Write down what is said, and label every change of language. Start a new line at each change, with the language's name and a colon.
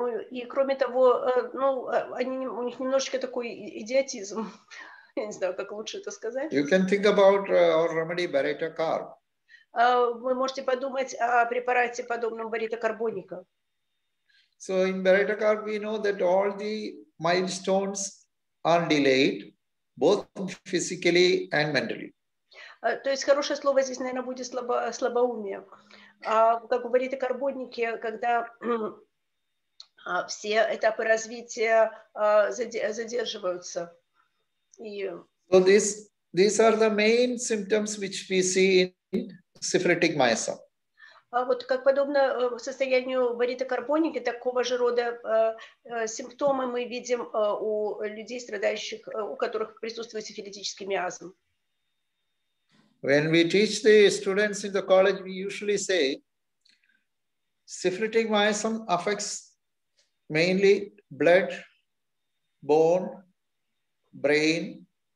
Russian: И кроме того, ну, они, у них немножечко такой идиотизм. Я не знаю, как лучше это сказать.
English: You can think about our remedy baritocarb.
Russian: Вы можете подумать о препарате подобном баритокарбоника.
English: So in baritocarb we know that all the milestones are delayed, both physically and mentally.
Russian: То есть хорошее слово здесь, наверное, будет слабоумие. Как в баритокарбонике, когда все этапы развития задерживаются.
English: So these are the main symptoms which we see in syphilitic miasma.
Russian: Вот как подобно состоянию баритокарбоники, такого же рода симптомы мы видим у людей, страдающих, у которых присутствует сифилитический миазм.
English: When we teach the students in the college, we usually say syphilitic miasm affects mainly blood, bone, brain.